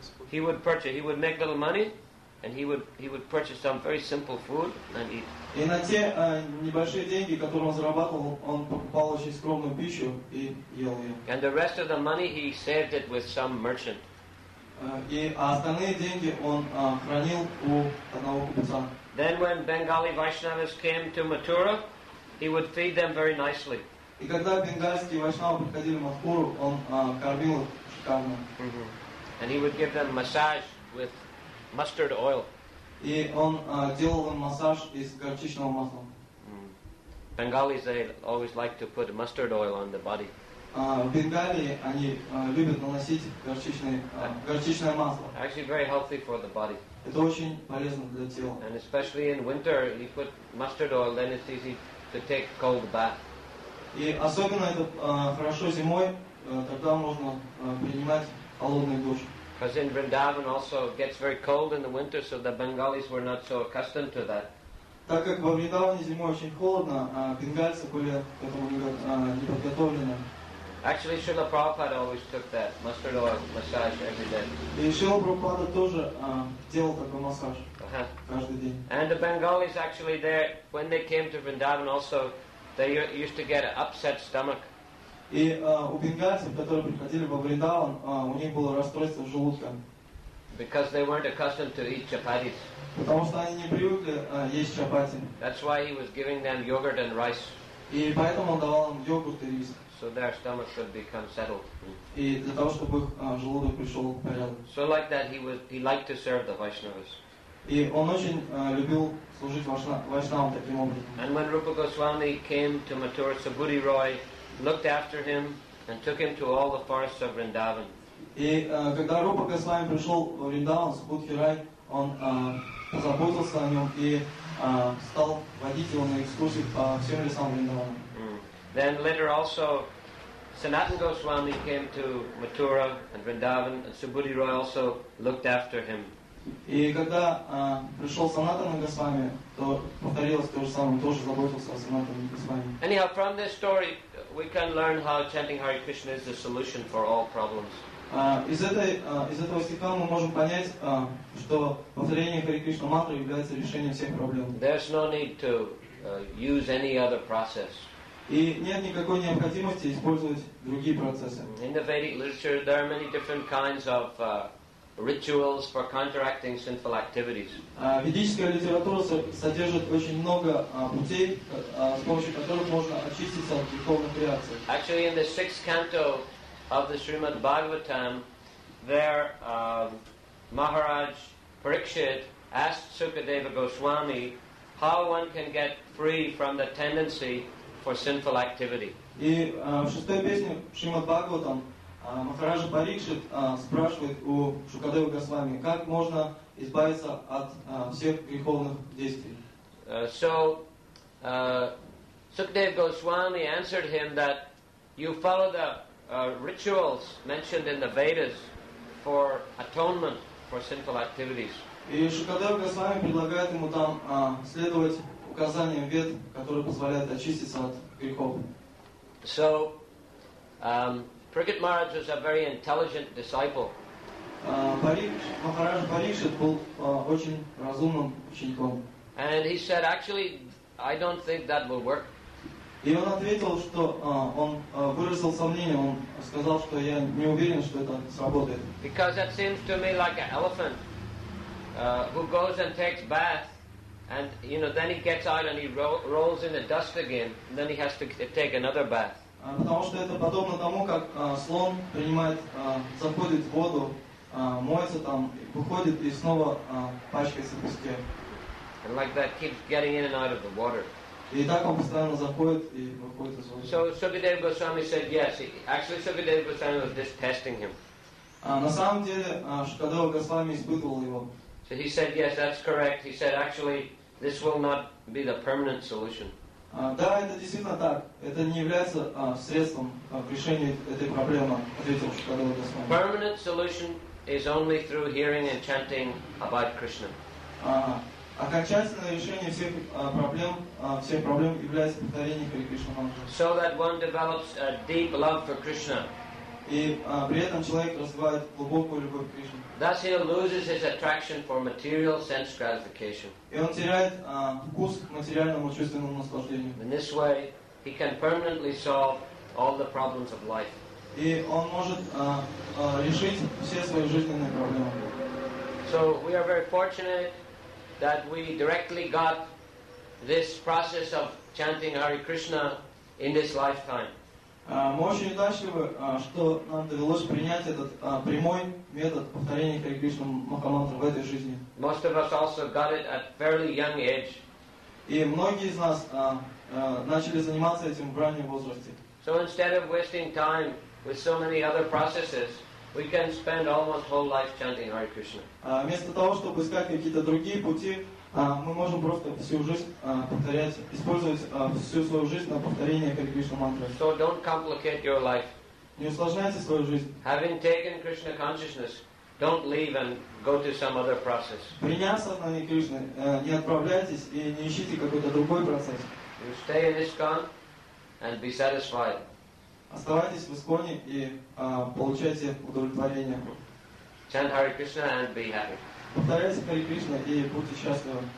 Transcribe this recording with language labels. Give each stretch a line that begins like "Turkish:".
English: He would purchase, he would make little money and he would purchase some very simple food and eat.
Russian: И на те небольшие деньги, которые он зарабатывал, он покупал очень скромную пищу и ел ее.
English: And the rest of the money he saved it with some merchant.
Russian: А остальные деньги он хранил у одного купца.
English: Then when Bengali Vaishnavas came to Mathura, he would feed them very nicely.
Russian: И когда бенгальские вайшнавы приходили в Мадхуру, он кормил их шикарно.
English: And he would give them massage with mustard oil.
Russian: И он делал им массаж из горчичного масла.
English: Bengalis, they always like to put mustard oil on the body.
Russian: В Бенгалии они любят наносить горчичное масло.
English: Actually, very healthy for the body.
Russian: Это очень полезно для тела.
English: And especially in winter, you put mustard oil, then it's easy to take cold bath.
Russian: И особенно это хорошо зимой, тогда можно принимать холодный душ.
English: Because in Vrindavan also it gets very cold in the winter, so the Bengalis were not so accustomed to that.
Russian: Так как во Вриндаване зимой очень холодно, а бенгальцы были к этому не подготовлены.
English: Actually, Srila Prabhupada always took that mustard oil massage every day.
Russian: И Srila Prabhupada тоже делал такой массаж каждый день.
English: And the Bengalis actually there, when they came to Vrindavan also, they used to get an upset stomach.
Russian: И у бенгальцев, которые приходили во Вриндаван, у них было расстройство желудка.
English: Because they weren't accustomed to eat chapatis.
Russian: Потому что они не привыкли есть чапати.
English: That's why he was giving them yogurt and rice.
Russian: И поэтому он давал им йогурт и рис.
English: So their stomach should become settled.
Russian: И для того, чтобы их желудок пришел в порядок.
English: So like that he liked to serve the Vaishnavas.
Russian: И он очень любил служить вайшнавам таким образом.
English: And when Rupa Goswami came to Mathura, Subhuti Roy looked after him and took him to all the forests of Vrindavan.
Russian: И когда Рупа Госвами пришел в Вриндаван, Субхути Рай, он позаботился о нем и стал водить его на экскурсии по всем лесам Вриндавана.
English: Then later also, Sanatan Goswami came to Mathura and Vrindavan, and Subhuti Roy also looked after him.
Russian: И когда пришел Санатана Госвами, то повторилось то же самое, он тоже заботился о Санатане Госвами.
English: Anyhow, from this story, we can learn how chanting Hare Krishna is the solution for all problems.
Russian: Из этого стиха мы можем понять, что повторение Хари Кришна мантры является решением всех проблем.
English: There's no need to use any other process.
Russian: И нет никакой необходимости использовать другие процессы.
English: In the Vedic literature, there are many different kinds of rituals for counteracting sinful activities.
Russian: Ведическая литература содержит очень много путей, с помощью которых можно очиститься от греховных реакций.
English: Actually, in the sixth canto of the Srimad Bhagavatam, there Maharaj Parikshit asked Sukadeva Goswami how one can get free from the tendency for sinful activity.
Russian: И в шестой песне Шримад Бхагаватам Махараджа Парикшит спрашивает у Шукадева Госвами, как можно избавиться от всех греховных действий.
English: Sukadeva Goswami answered him that you follow the rituals mentioned in the Vedas for atonement for sinful activities.
Russian: И Шукадева Госвами предлагает ему там следовать указаниям Вед, которые позволяют очиститься от грехов.
English: So, Prigat Maharaj was a very intelligent disciple. And he said, actually, I don't think that will work.
Russian: И он ответил, что он выразил сомнение, он сказал, что я не уверен, что это сработает.
English: Because that seems to me like an elephant who goes and takes bath, and you know, then he gets out and he rolls in the dust again, and then he has to take another bath.
Russian: Потому что это подобно тому, как слон принимает, заходит в воду, моется там, выходит и снова пачкается в песке.
English: And like that keeps getting in and out of the water.
Russian: И так он постоянно заходит и выходит из воды.
English: So Sukadeva Goswami said yes. Actually, Sukadeva Goswami was just testing him.
Russian: На самом деле, Шукадева Госвами испытывал его.
English: So he said yes, that's correct. He said actually, this will not be the permanent solution.
Russian: Да, это действительно так. Это не является средством к решению этой проблемы, ответил Шукадева Госвами.
English: Permanent solution is only through hearing and chanting about Krishna.
Russian: Окончательное решение всех проблем, всех проблем является повторение Хари Кришна Мантры.
English: So that one develops a deep love for Krishna.
Russian: И при этом человек развивает глубокую любовь к Кришне.
English: Thus he loses his attraction for material sense gratification.
Russian: И он теряет вкус к материальному чувственному наслаждению.
English: In this way, he can permanently solve all the problems of life.
Russian: И он может решить все свои жизненные проблемы.
English: So we are very fortunate that we directly got this process of chanting Hare Krishna in this lifetime.
Russian: Мы очень удачливы, что нам довелось принять этот прямой метод повторения Хари Кришна Махамантры в этой жизни.
English: Most of us also got it at fairly young age.
Russian: И многие из нас начали заниматься этим в раннем возрасте.
English: So instead of wasting time with so many other processes, we can spend almost whole life chanting Hare Krishna.
Russian: Вместо того, чтобы искать какие-то другие пути, мы можем просто всю жизнь повторять, использовать всю свою жизнь на повторение Хари Кришна мантры.
English: So don't complicate your life.
Russian: Не усложняйте свою жизнь.
English: Having taken Krishna consciousness, don't leave and go to some other process.
Russian: Приняв сознание Кришны, не отправляйтесь и не ищите какой-то другой процесс.
English: You stay in ISKCON and be satisfied.
Russian: Оставайтесь в Исконе и получайте удовлетворение.
English: Chant Hare Krishna and be happy.
Russian: Повторяйте Хари Кришна и будьте счастливы.